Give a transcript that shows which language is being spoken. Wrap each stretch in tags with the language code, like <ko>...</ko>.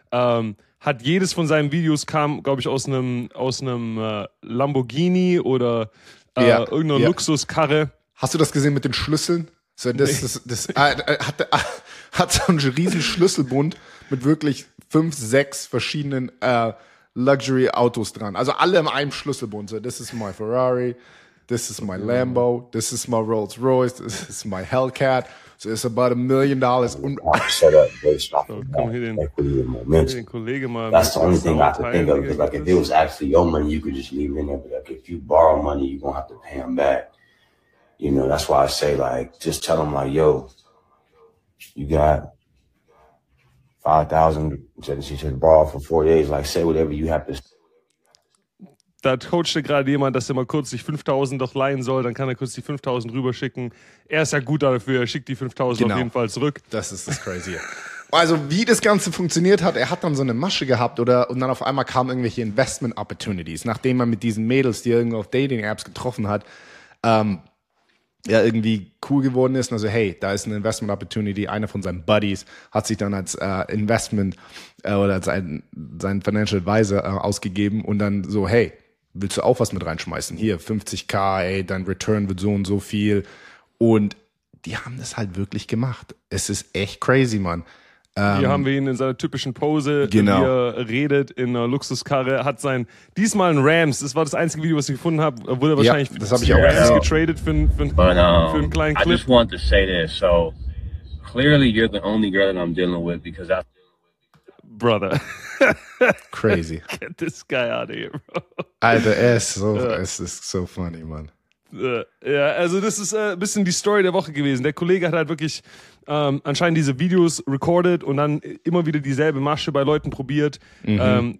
<de>Hat jedes von seinen Videos kam, glaube ich, aus einem Lamborghini oder irgendeiner Luxuskarre. Hast du das gesehen mit den Schlüsseln? Hat so einen riesen Schlüsselbund mit wirklich 5, 6 verschiedenen Luxury-Autos dran. Also alle in einem Schlüsselbund.</de> <en>So, this is my Ferrari, this is my Lambo, this is my Rolls Royce, this is my Hellcat. So it's about $1 million.</en> <de>Und so, komm, hier den Kollege mal.</de> <en>That's the only thing I could think of. Because like, if it was actually your money, you could just leave it in there. But like, if you borrow money, you're going to have to pay him back. You know, that's why I say, like, just tell him, like, yo, you got 5,000, she said, borrow for 4 days, like, say whatever you have to say.</en> <de>Da coachte gerade jemand, dass er mal kurz sich 5.000 doch leihen soll, dann kann er kurz die 5.000 rüberschicken. Er ist ja gut dafür, er schickt die 5.000 genau. Auf jeden Fall zurück. Das ist das Crazy. Also, wie das Ganze funktioniert hat, er hat dann so eine Masche gehabt und dann auf einmal kamen irgendwelche Investment-Opportunities, nachdem er mit diesen Mädels, die er irgendwo auf Dating-Apps getroffen hat, ja, irgendwie cool geworden ist. Also, hey, da ist eine Investment-Opportunity. Einer von seinen Buddies hat sich dann als Investment oder als sein Financial Advisor ausgegeben und dann so, hey, willst du auch was mit reinschmeißen? Hier, 50.000, ey, dein Return wird so und so viel. Und die haben das halt wirklich gemacht. Es ist echt crazy, Mann. Hier haben wir ihn in seiner typischen Pose. Genau. Hier redet in einer Luxuskarre. Hat sein, diesmal ein Rams. Das war das einzige Video, was ich gefunden habe. Wurde wahrscheinlich das habe ich auch Rams getradet für einen kleinen Clip.</de> <en>I just want to say this. So, clearly you're the only girl that I'm dealing with because I... Brother. Crazy. Get this guy out of here, bro.</en> <de>Alter, er ist so, es ist so funny, Mann. Ja, also das ist ein bisschen die Story der Woche gewesen. Der Kollege hat halt wirklich anscheinend diese Videos recorded und dann immer wieder dieselbe Masche bei Leuten probiert. Mhm.</de>